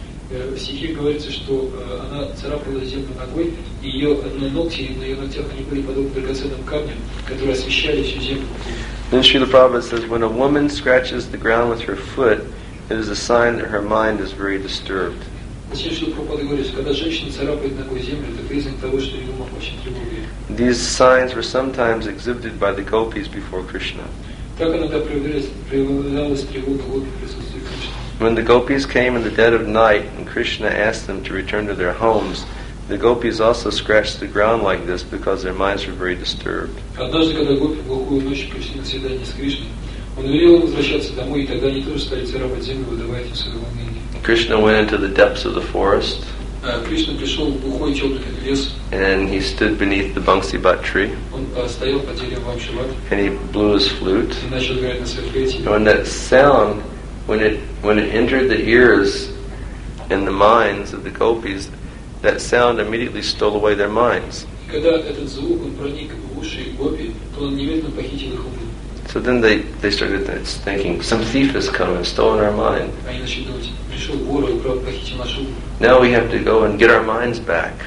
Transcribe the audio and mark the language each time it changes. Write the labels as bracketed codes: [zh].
[ru] В стихе говорится, что она царапала землю ногой, и ее ногти на ее ногтях они были подобны драгоценным камням, которые освещали всю землю. [en] Then Srila Prabhupada says, when a woman scratches the ground with her foot, it is a sign that her mind is very disturbed. [ru] Затем Шрила Прабхупада говорит, когда женщина царапает ногой землю, это признак того, что ее ум очень тревожен. [en] These signs were sometimes exhibited by the gopis before Krishna. [ru] Так иногда проявлялась тревога в присутствии Кришны. [en] When the gopis came in the dead of night and Krishna asked them to return to their homes, the gopis also scratched the ground like this because their minds were very disturbed. [ru] Однажды, когда гопи в глухую ночь пришли на свидание с Кришной, он велел им возвращаться домой, и тогда они тоже стали царапать землю, выдавая им свое волнение. [en] Krishna went into the depths of the forest. [ru] Кришна пришел в глухой темный лес. [en] And he stood beneath the Bhangsibhat tree. [ru] Он стоял под деревом Бхангсибат. [en] And he blew his flute. [ru] И начал играть на своей флейте. [en] And when that sound, when it entered the ears and the minds of the gopis, that sound immediately stole away their minds. [ru] Когда этот звук проник в уши гопи, то он немедленно похитил их ум. [en] So then they started thinking, some thief has come and stolen our mind. [ru] Они начали думать, пришел вор и украл, похитил наш ум. [en] Now we have to go and get our minds back.